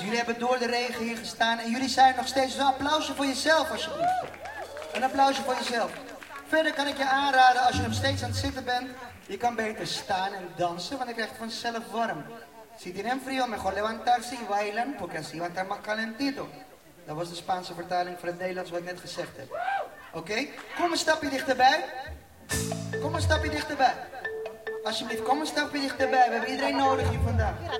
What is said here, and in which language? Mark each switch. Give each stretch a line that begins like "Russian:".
Dutch: Jullie hebben door de regen hier gestaan en jullie zijn nog steeds. Dus een applausje voor jezelf alsjeblieft. Een applausje voor jezelf. Verder kan ik je aanraden, als je nog steeds aan het zitten bent, je kan beter staan en dansen, want dan krijg je vanzelf warm.
Spanish: Si tienen frío, mejor levantarse y bailan, porque así va a estar más calentito.
Dutch: Dat was de Spaanse vertaling van het Nederlands wat ik net gezegd heb. Oké? Okay? Kom een stapje dichterbij. Kom een stapje dichterbij. Alsjeblieft, kom een stapje dichterbij. We hebben iedereen nodig hier vandaag.